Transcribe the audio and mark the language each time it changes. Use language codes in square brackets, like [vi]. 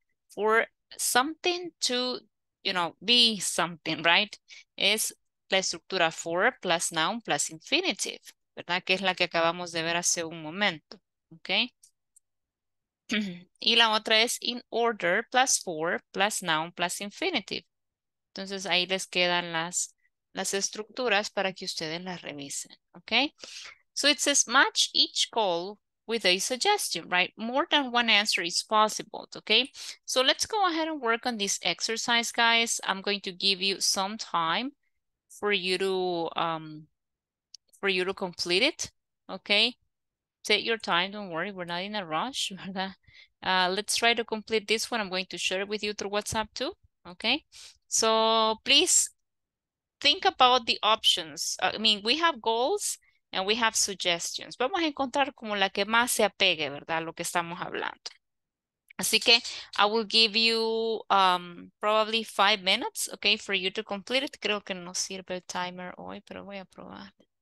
[en] For something to, you know, be something, right? [es] Es la estructura [en] for plus noun plus infinitive, [es] ¿verdad? Que es la que acabamos de ver hace un momento, ¿ok? Y la otra es [en] in order plus for plus noun plus infinitive. [es] Entonces ahí les quedan las estructuras para que ustedes las revisen, ¿ok? [en] So it says match each call with a suggestion, right? More than one answer is possible, okay? So let's go ahead and work on this exercise, guys. I'm going to give you some time for you to complete it, okay? Take your time, don't worry, we're not in a rush. Let's try to complete this one. I'm going to share it with you through WhatsApp too, okay? So please think about the options. I mean, we have goals, and we have suggestions. [es] Vamos a encontrar como la que más se apegue, ¿verdad? Lo que estamos hablando. Así que [en] I will give you probably 5 minutes, okay, for you to complete it. [es] Creo que no sirve el timer hoy, pero voy a probar.